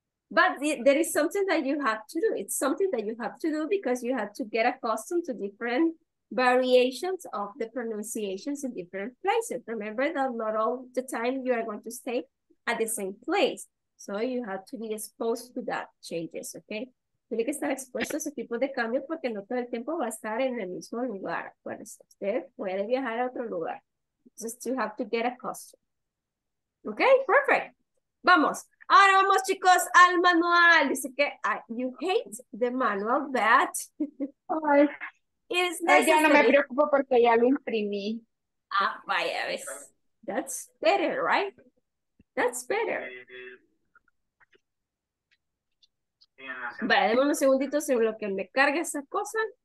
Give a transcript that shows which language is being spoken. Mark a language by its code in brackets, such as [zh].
[en] But there is something that you have to do. It's something that you have to do because you have to get accustomed to different variations of the pronunciations in different places. Remember that not all the time you are going to stay at the same place. So you have to be exposed to that changes, okay? [es] Tiene que estar expuesto a ese tipo de cambio porque no todo el tiempo va a estar en el mismo lugar. Usted puede viajar a otro lugar. [en] Just you have to get accustomed. Okay, perfect. [es] Vamos. Ahora vamos, chicos, al manual. Dice que [en] you hate the manual, but it is necessary. [es] Ya no me preocupo porque ya lo imprimí. Ah, vaya, ves. [en] That's better, right? That's better. [es] Vale, démosle un segundito en lo que me carga esa cosa.